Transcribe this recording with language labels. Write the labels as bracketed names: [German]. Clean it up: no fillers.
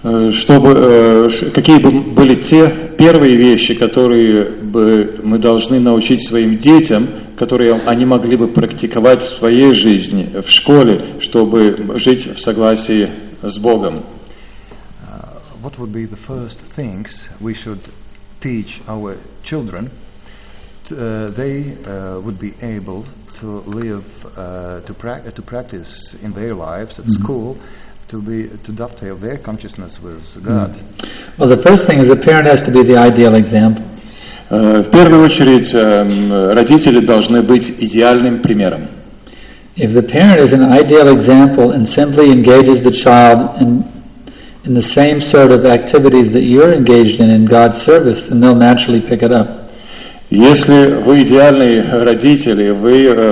[Russian] Чтобы какие бы были те первые вещи, которые бы мы должны научить своим детям, которые они могли бы практиковать в своей жизни, в школе, чтобы жить в согласии с Богом? [English] What would be the first things we should teach our children? They would be able to live to practice in their lives at school. To dovetail their consciousness with God. Well, the first thing is a parent has to be the ideal example. [Russian] В первую очередь родители должны быть идеальным примером. [English] If the parent is an ideal example and simply engages the child in the same sort of activities that you're engaged in God's service, then they'll naturally pick it up. [Russian] Если вы идеальный родитель, вы